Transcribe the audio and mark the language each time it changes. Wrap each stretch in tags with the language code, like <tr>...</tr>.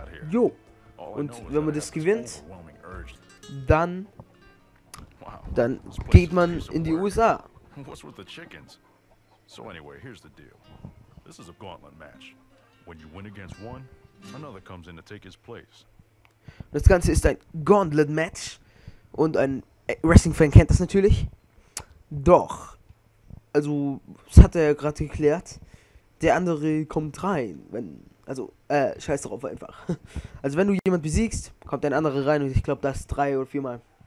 <de>Jo. Und wenn man das gewinnt, dann. Dann geht man in die USA. Was mit den Chickens?</de> <en>So, anyway, here's the deal. This is a gauntlet match. When you win against one, another comes in to take his place.</en> <de>Das Ganze ist ein Gauntlet Match. Und ein Wrestling-Fan kennt das natürlich. Doch. Also, das hat er ja gerade geklärt. Der andere kommt rein. Scheiß drauf einfach. Also, wenn du jemand besiegst, kommt ein anderer rein. Und ich glaube, das 3 oder 4 Mal.</de>